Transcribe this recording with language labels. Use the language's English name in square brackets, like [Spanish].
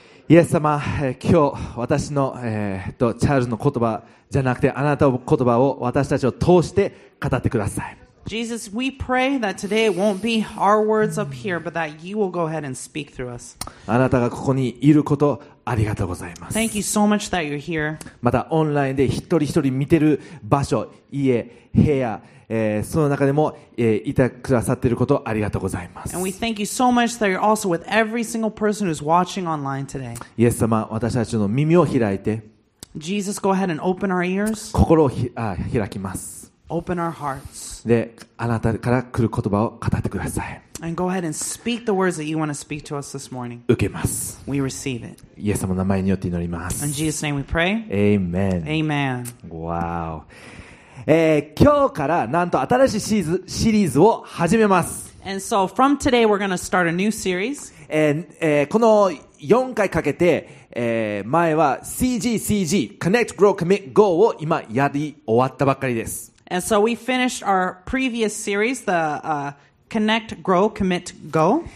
[Japanese] イエス様、今日私の、チャールズの言葉じゃなくてあなたの言葉を私たちを通して語ってください。 [English] Jesus, we pray that today it won't be our words up here, but that you will go ahead and speak through us. [Japanese] あなたがここにいることありがとうございます。 [English] Thank you so much that you're here. [Japanese] またオンラインで一人一人見てる場所、家、部屋、その中でも、いてくださっていることありがとうございます。 [English] And we thank you so much that you're also with every single person who's watching online today. [Japanese] イエス様、私たちの耳を開いて、 [English] Jesus, go ahead and open our ears. [Japanese] 心を開きます。 [English] Open our hearts. [Japanese] で、あなたから来る言葉を語ってください。 [English] And go ahead and speak the words that you want to speak to us this morning. [Japanese] 受けます。 [English] We receive it. [Japanese] イエス様の名前によって祈ります。 [English] In Jesus' name we pray. Amen. Amen. Wow. [Japanese] 今日からなんと新しいシリーズを始めます。 [English] And so from today we're going to start a new series. [Japanese] この4回かけて、前は CGCG Connect Grow Commit Go を今やり終わったばっかりです。 [English] And so we finished our previous series, the Connect, Grow, Commit, Go.